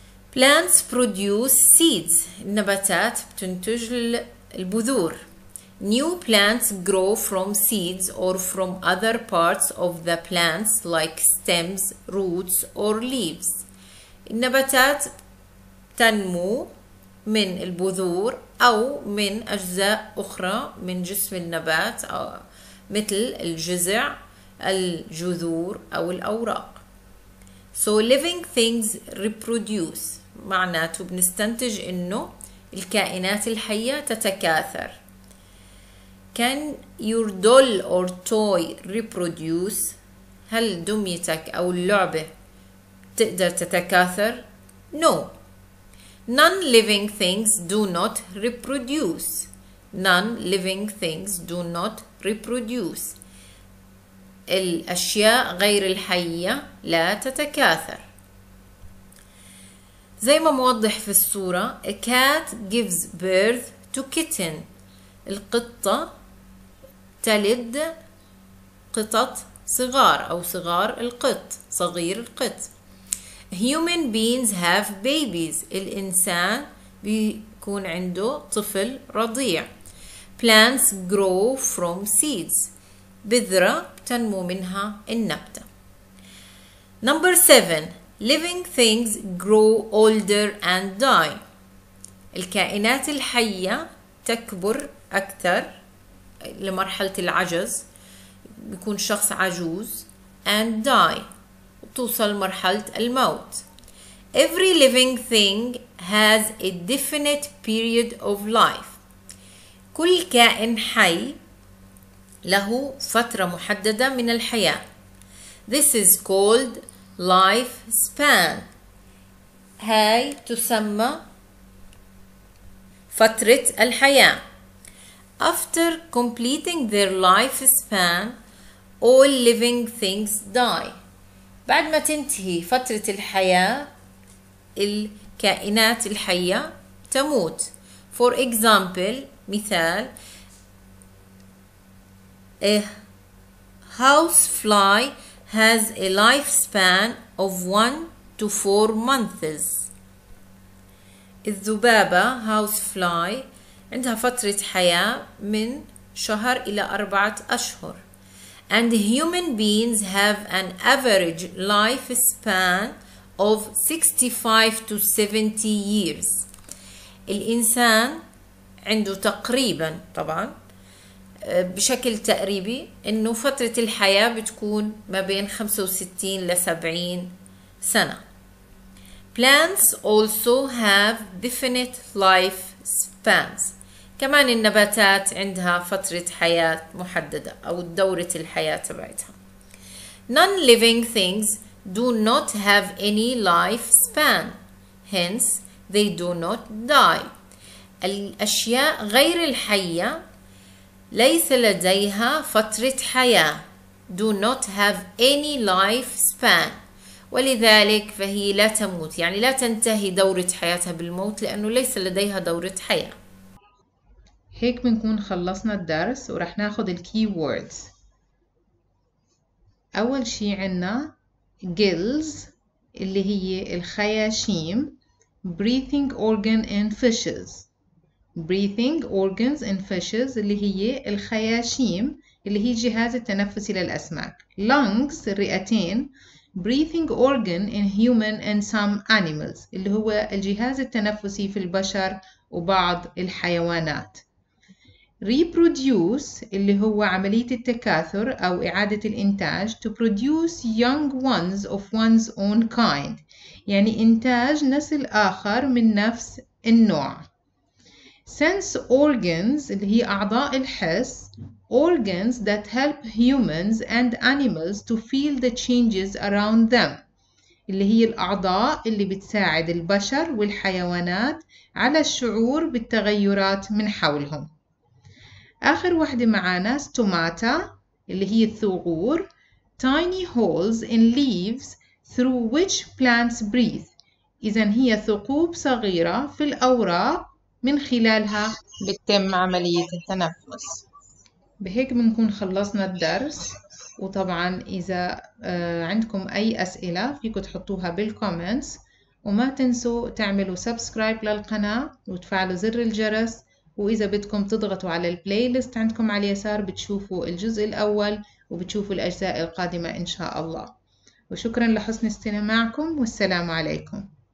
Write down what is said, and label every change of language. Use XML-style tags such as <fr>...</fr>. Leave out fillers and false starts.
<en>Plants produce seeds.</en> <ar>النباتات بتنتج البذور.</ar> <en>New plants grow from seeds or from other parts of the plants like stems, roots, or leaves.</en> <ar>النباتات تنمو من البذور أو من أجزاء أخرى من جسم النبات مثل الجذع, الجذور أو الأوراق.</ar> <en>So living things reproduce.</en> <ar>معناته بنستنتج إنه الكائنات الحية تتكاثر.</ar> <en>Can your doll or toy reproduce?</en> <ar>هل دميتك أو اللعبة تقدر تتكاثر؟</ar> <en>No. Non-living things do not reproduce. Non-living things do not reproduce.</en> <ar>الأشياء غير الحية لا تتكاثر. زي ما موضح في الصورة,</ar> <en>A cat gives birth to kitten.</en> <ar>القطة تلد قطط صغار أو صغار القط, صغير القط.</ar> <en>Human beings have babies.</en> <ar>الإنسان بيكون عنده طفل رضيع.</ar> <en>Plants grow from seeds.</en> <ar>بذرة تنمو منها النبتة.</ar> <en>Number 7. Living things grow older and die.</en> <ar>الكائنات الحية تكبر أكثر لمرحلة العجز, بيكون شخص عجوز,</ar> <en>and die,</en> <ar>توصل مرحلة الموت.</ar> <en>Every living thing has a definite period of life.</en> <ar>كل كائن حي له فترة محددة من الحياة.</ar> <en>This is called life span.</en> <ar>هاي تسمى فترة الحياة.</ar> <en>After completing their life span, all living things die.</en> <ar>بعد ما تنتهي فترة الحياة, الكائنات الحية تموت.</ar> <en>For example,</en> <ar>مثال,</ar> <en>a housefly has a lifespan of 1 to 4 months.</en> <ar>الذبابة housefly عندها فترة حياة من شهر إلى 4 أشهر.</ar> <en>And human beings have an average lifespan of 65 to 70 years.</en> <ar>الإنسان عنده تقريبا, طبعا بشكل تقريبي, إنه فترة الحياة بتكون ما بين 65 ل 70 سنة.</ar> <en>Plants also have definite lifespans.</en> <ar>كمان النباتات عندها فترة حياة محددة أو دورة الحياة تبعتها.</ar> <en>Non-living things do not have any life span. Hence, they do not die.</en> <ar>الأشياء غير الحية ليس لديها فترة حياة.</ar> <en>Do not have any life span.</en> <ar>ولذلك فهي لا تموت، يعني لا تنتهي دورة حياتها بالموت لأنه ليس لديها دورة حياة. هيك بنكون خلصنا الدرس ورح ناخد الكي ووردز. أول شي عنا gills اللي هي الخياشيم،</ar> <en>breathing organ in fishes. Breathing organs in fishes</en> <ar>اللي هي الخياشيم اللي هي جهاز التنفس للأسماك. Lungs الرئتين،</ar> <en>breathing organ in human and some animals</en> <ar>اللي هو الجهاز التنفسي في البشر وبعض الحيوانات. Reproduce اللي هو عملية التكاثر أو إعادة الإنتاج.</ar> <en>To produce young ones of one's own kind</en> <ar>يعني إنتاج نسل آخر من نفس النوع.</ar> <en>Sense organs</en> <ar>اللي هي أعضاء الحس.</ar> <en>Organs that help humans and animals to feel the changes around them</en> <ar>اللي هي الأعضاء اللي بتساعد البشر والحيوانات على الشعور بالتغيرات من حولهم. آخر واحدة معانا ستوماتا اللي هي الثغور.</ar> <en>Tiny holes in leaves through which plants breathe.</en> <ar>إذن هي ثقوب صغيرة في الأوراق من خلالها بتتم عملية التنفس. بهيك بنكون خلصنا الدرس، وطبعا إذا عندكم أي أسئلة فيكم تحطوها بالكومنتس، وما تنسوا تعملوا سبسكرايب للقناة وتفعلوا زر الجرس، وإذا بدكم تضغطوا على البلاي ليست عندكم على اليسار بتشوفوا الجزء الأول وبتشوفوا الأجزاء القادمة إن شاء الله. وشكرا لحسن استماعكم والسلام عليكم.</ar>